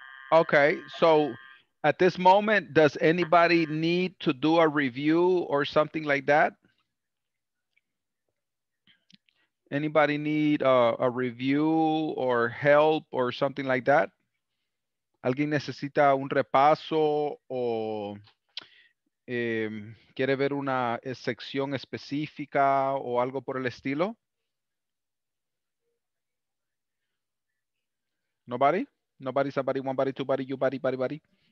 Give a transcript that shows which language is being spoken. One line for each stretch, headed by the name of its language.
English: Okay, so at this moment, does anybody need to do a review or something like that? Anybody need a review or help or something like that?
Spanish: ¿Alguien necesita un repaso o quiere ver una sección específica o algo por el estilo?
English: Nobody? Nobody, somebody, one body, two body, you body, body, body.